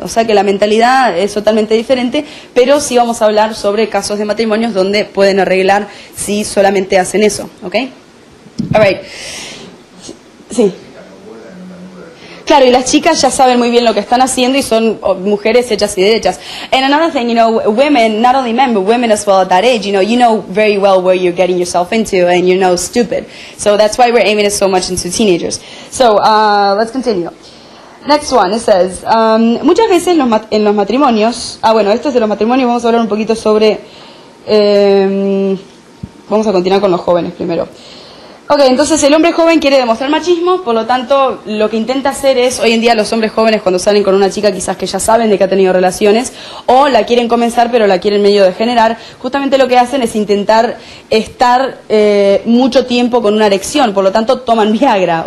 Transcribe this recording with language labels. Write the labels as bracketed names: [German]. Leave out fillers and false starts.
[Spanish] O sea que la mentalidad es totalmente diferente, pero sí vamos a hablar sobre casos de matrimonios donde pueden arreglar si solamente hacen eso, ¿ok? [English] All right. [Spanish] Sí. Claro, y las chicas ya saben muy bien lo que están haciendo y son mujeres hechas y derechas. [English] And another thing, you know, women, not only men, but women as well at that age, you know very well where you're getting yourself into and you're no stupid. So that's why we're aiming it so much into teenagers. So let's continue. Next one, it says, [Spanish] muchas veces en los matrimonios, ah bueno, esto es de los matrimonios, vamos a hablar un poquito sobre, vamos a continuar con los jóvenes primero. Ok, entonces el hombre joven quiere demostrar machismo, por lo tanto lo que intenta hacer es, hoy en día los hombres jóvenes cuando salen con una chica quizás que ya saben de que ha tenido relaciones, o la quieren comenzar pero la quieren medio degenerar, justamente lo que hacen es intentar estar mucho tiempo con una erección, por lo tanto toman Viagra.